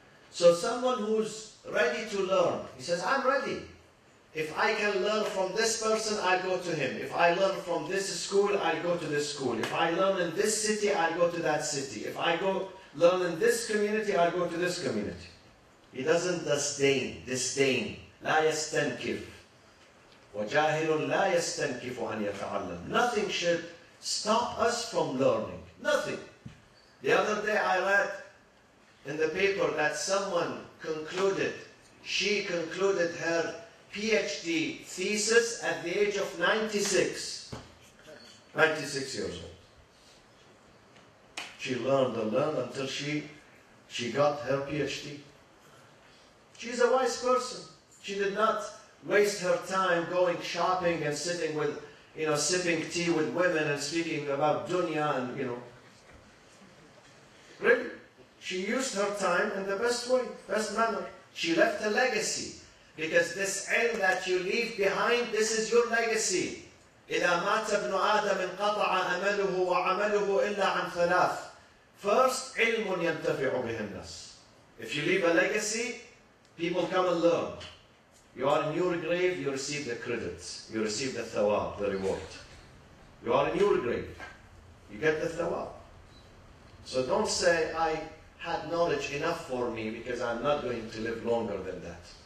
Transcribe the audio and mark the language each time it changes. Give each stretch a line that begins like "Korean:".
English: So someone who's ready to learn, he says, I'm ready. If I can learn from this person, I go to him. If I learn from this school, I go to this school. If I learn in this city, I go to that city. If I go learn in this community, I go to this community. He doesn't disdain.
Arabic: لا يستنكف وجاهل لا يستنكف أن يتعلم.
English: Nothing should stop us from learning. Nothing. The other day I read in the paper that someone concluded, she concluded her PhD thesis at the age of 96 years old. She learned and learned until she got her PhD. She's a wise person. She did not waste her time going shopping and sitting with, you know, sipping tea with women and speaking about dunya and, you know. Really? She used her time in the best way, best manner. She left a legacy. Because this ilm that you leave behind, this is your legacy.
Arabic: إِذَا مَاتَ ابْنُ آدَمٍ قَطَعَ أَمَلُهُ وَعَمَلُهُ إِلَّا عَنْ ثَلَاثٍ. First, عِلْمٌ يَنْتَفِعُ بِهِ النَّاسِ.
English: If you leave a legacy, people come and learn. You are in your grave, you receive the credits. You receive the thawab, the reward. You are in your grave. You get the thawab. So don't say, I had knowledge enough for me because I'm not going to live longer than that.